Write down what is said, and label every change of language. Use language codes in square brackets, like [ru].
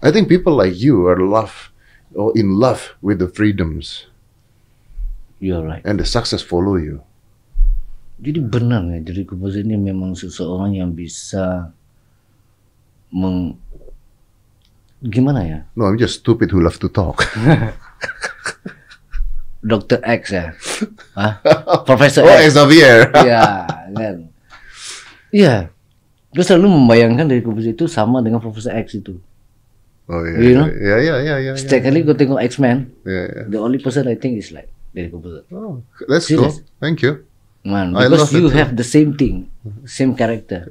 [en] I think people like you are love or in love with the freedoms. You're right. And the success follow you. [id] Jadi benar ya, jadi kubus ini memang seseorang yang bisa gimana ya? [en] No, I'm just stupid who love to talk. [id] Dr. X ya? Hah? Professor X? [en] Oh, Xavier. [id] Iya, kan? Iya. Gue selalu membayangkan dari kubus itu sama dengan Professor X itu. Oh iya. Iya. Setiap kali gue tengok X-Men, [en] yeah. The only person I think is like [id] dari kubus. [en] Oh, that's cool. Thank you. Man, because you have the same thing, same character.